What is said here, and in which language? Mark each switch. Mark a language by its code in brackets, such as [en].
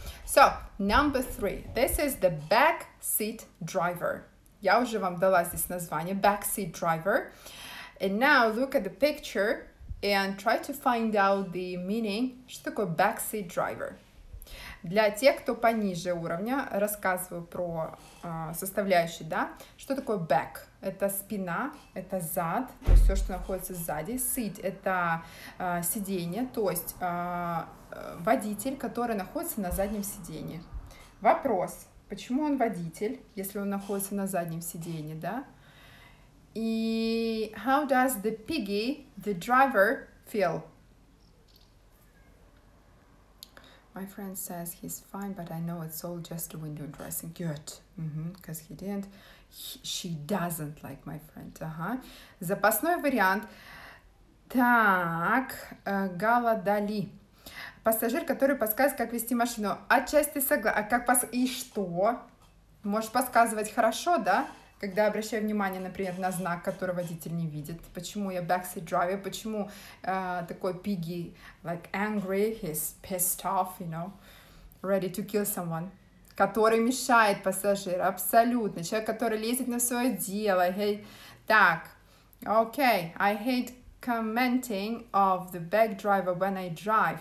[en] So, number three, this is the backseat driver. [ru] Я уже вам дала здесь название, backseat driver. [en] And now look at the picture and try to find out the meaning. [ru] Что такое backseat driver? Для тех, кто пониже уровня, рассказываю про составляющие, да? Что такое back? Это спина, это зад, то есть все, что находится сзади. Seat – это сиденье, то есть водитель, который находится на заднем сиденье. Вопрос, почему он водитель, если он находится на заднем сиденье, да? И [en] how does the piggy, the driver, feel? My friend says he's fine, but I know it's all just a window dressing. Good. Because he didn't. She doesn't like my friend. [ru] Запасной вариант. Так, Гала Дали. Пассажир, который подсказывает, как вести машину. Отчасти согласен. И что? Можешь подсказывать хорошо, да? Когда обращаю внимание, например, на знак, который водитель не видит. Почему я [en] backseat driver? [ru] Почему такой [en] piggy, like angry, he's pissed off, you know, ready to kill someone. [ru] Который мешает пассажиру, абсолютно. Человек, который лезет на свое дело. [en] Hey. Так, okay, I hate commenting of the back driver when I drive.